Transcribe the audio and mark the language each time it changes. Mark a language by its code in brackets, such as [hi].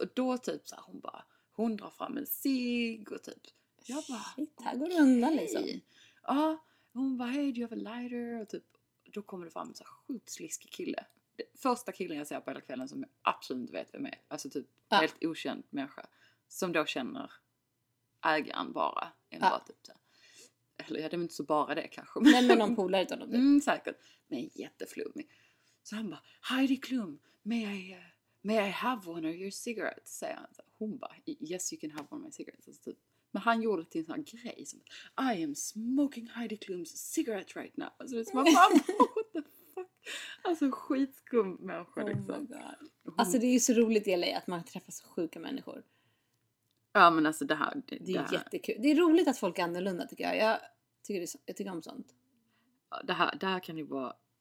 [sv] Och då typ så här, hon bara, hon drar fram en cig och typ. Jag bara, shit, här går det undan liksom. Ja, hon bara, [en] hey, do you have a lighter? [sv] Och typ, då kommer det fram en så här sjukt sliskig kille. Det första killen jag ser på hela kvällen som jag absolut inte vet vem är. Alltså typ, ja. Helt okänd människa. Som då känner... ägaren bara. Ja. Bara typ, eller jag hade inte så bara det kanske. Men med någon polare utan dem. Mm, säkert. Men jätteflummig. Så han bara, Heidi Klum, [en] may I have one of your cigarettes? [sv] Säger han. Hon bara, [en] yes you can have one of my cigarettes. [sv] Så typ. Men han gjorde det till en sån här grej. Som, [en] I am smoking Heidi Klums cigarette right now. [sv] Alltså det är som att, [en] what the fuck? [sv] Alltså skitskum människa. Oh liksom. [en] My god. [sv] Alltså det är ju så roligt i LA att man träffar så sjuka människor. Ja, men alltså det här... Det är jättekul. Det är roligt att folk är annorlunda, tycker jag. Jag tycker om sånt. Ja, det här kan ju vara...